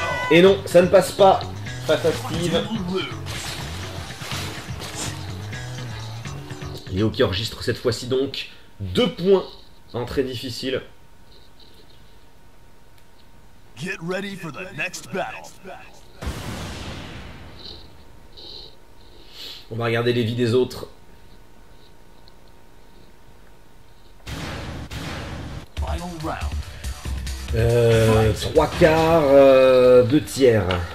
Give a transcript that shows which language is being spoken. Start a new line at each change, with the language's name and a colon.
French: Et non, ça ne passe pas face à Steve. Léo qui enregistre cette fois-ci donc 2 points en très difficile.
English: Get ready for the next battle.
French: On va regarder les vies des autres.
English: Final round.
French: 3 quarts, 2 tiers.